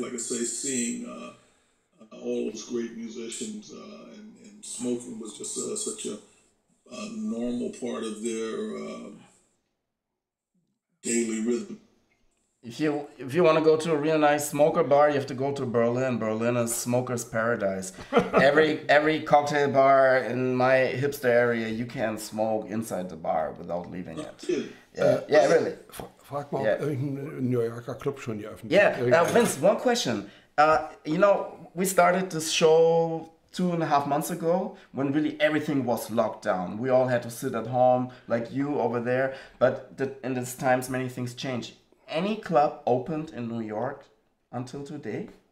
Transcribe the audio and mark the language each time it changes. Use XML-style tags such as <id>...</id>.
<en>Like I say, seeing all those great musicians and smoking was just such a normal part of their daily rhythm. If you want to go to a real nice smoker bar, you have to go to Berlin. Berlin is smoker's paradise. Every cocktail bar in my hipster area, you can smoke inside the bar without leaving it. Really.</en> <de>Frag mal, irgendein New Yorker Club schon geöffnet.</de> <en>Yeah, Vince, one question. You know, we started this show 2.5 months ago when really everything was locked down. We all had to sit at home, like you over there. But in these times, many things change. Any club opened in New York until today?</en>